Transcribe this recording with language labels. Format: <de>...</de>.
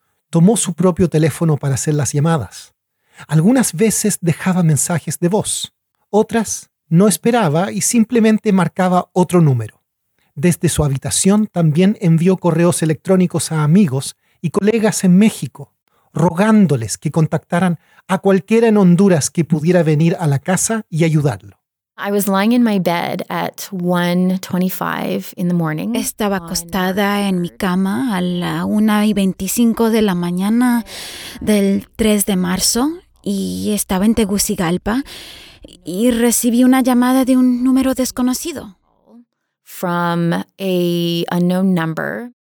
<es>Tomó su propio teléfono para hacer las llamadas. Algunas veces dejaba mensajes de voz, otras no esperaba y simplemente marcaba otro número. Desde su habitación también envió correos electrónicos a amigos y colegas en México, rogándoles que contactaran a cualquiera en Honduras que pudiera venir a la casa y ayudarlo.</es> <en>I was lying in my bed at 1:25 in the morning.</en> <es>Estaba acostada en mi cama a la 1:25 de la mañana del 3 de marzo y estaba en Tegucigalpa y recibí una llamada de un número desconocido.</es> <en>From a unknown number.</en>